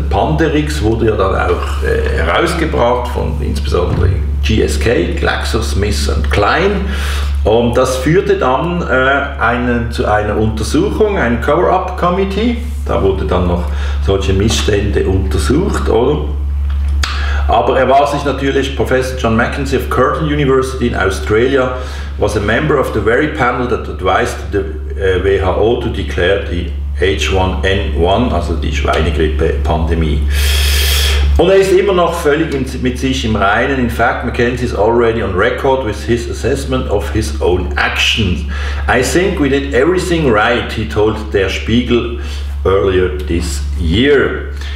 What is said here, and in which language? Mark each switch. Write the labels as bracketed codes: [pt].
[de] Der Panderix wurde ja dann auch herausgebracht von insbesondere GSK, GlaxoSmithKline. Und das führte dann zu einer Untersuchung, ein Cover-Up-Committee. Da wurde dann noch solche Missstände untersucht, oder? Aber er war sich natürlich, [en] Professor John McKenzie of Curtin University in Australia, was a member of the very panel that advised the WHO to declare the H1N1, [de] also die Schweinegrippe-Pandemie. Und er ist immer noch völlig mit sich im Reinen. [en] In fact, McKenzie is already on record with his assessment of his own actions. I think we did everything right, he told Der Spiegel earlier this year.